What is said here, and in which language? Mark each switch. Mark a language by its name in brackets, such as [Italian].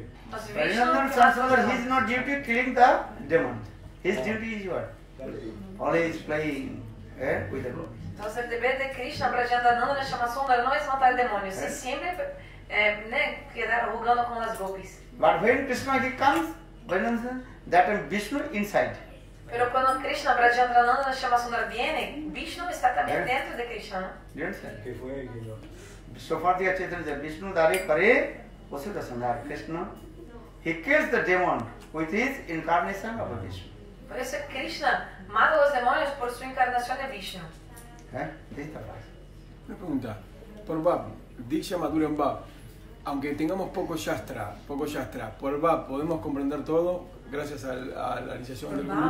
[English] Brajendra Shamasundara, he is not duty killing the demon. His duty is what? Always playing with the gopis. [Spanish] Entonces, el deber de Krishna Brajendra Nandana Shamasundara no es matar demonios, es siempre quedar jugando con las gopis. [English] But when Krishna he comes, Brajendra, that is Vishnu inside. [Spanish] Pero cuando Krishna Brajendra Nandana Shamasundara viene, Vishnu está también dentro de Krishna. ¿Yo entiendo? ¿Qué fue? Sofartya Chaitanya dice, [Bangla] Vishnu dare kare asura samhara. [English] Krishna, he kills the demon with his incarnation of Vishnu. [Spanish] Por eso Krishna mata los demonios por su encarnación de Vishnu. Dice esta frase. Una pregunta. Por Bab, Diksha Madhuryam Bab, aunque tengamos poco shastra, por Bab, ¿podemos comprender todo? Gracias a la iniciación por del Baba,